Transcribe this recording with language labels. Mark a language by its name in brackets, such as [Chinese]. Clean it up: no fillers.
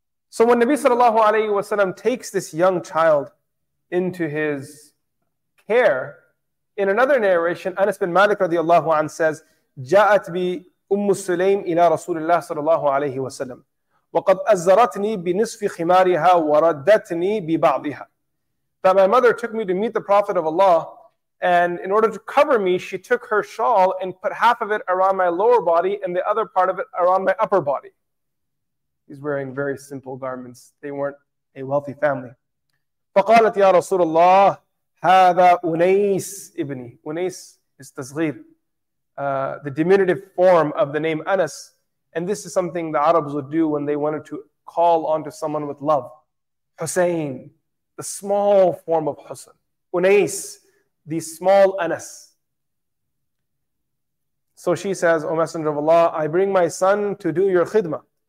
[English] So when Nabi sallallahu alayhi wa sallam takes this young child into his care, in another narration, Anas bin Malik radiallahu anhu says, [Arabic] جاءت بي أم سليم إلى رسول الله صلى الله عليه وسلم وقد أزرتني بنصف خمارها وردتني ببعضها. [English] That my mother took me to meet the Prophet of Allah, and in order to cover me, she took her shawl and put half of it around my lower body and the other part of it around my upper body. He's wearing very simple garments. They weren't a wealthy family. [Arabic] فقالت يا رسول الله هذا أنيس ابني. [English] أنيس is تصغير. The diminutive form of the name Anas. And this is something the Arabs would do when they wanted to call onto someone with love. Hussein, the small form of Hussein. Unais, the small Anas. So she says, O Messenger of Allah, I bring my son to do your khidmah.